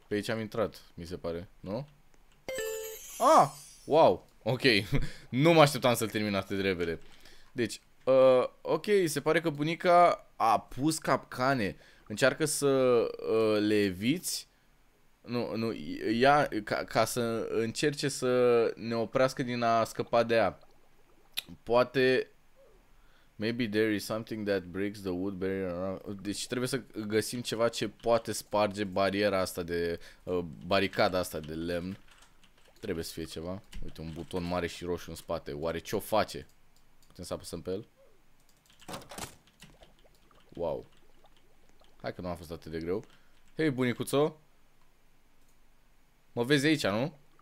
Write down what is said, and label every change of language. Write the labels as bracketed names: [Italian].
[Romanian] Pe aici am intrat, mi se pare, nu? Ah, wow, ok, nu mă așteptam să-l termin atât de repede. Deci, ok, se pare că bunica a pus capcane. Încearcă să le eviți. Nu, ea, ca să încerce să ne oprească din a scăpa de ea. Poate, [English] maybe there is something that breaks the wood barrier. [Romanian] Deci trebuie să găsim ceva ce poate sparge bariera asta de, baricada asta de lemn. Trebuie să fie ceva. Uite, un buton mare și roșu în spate. Oare ce o face? Putem să apăsăm pe el? Wow. Hai că nu a fost atât de greu. Hei, bunicuțo. Mă vezi aici, nu?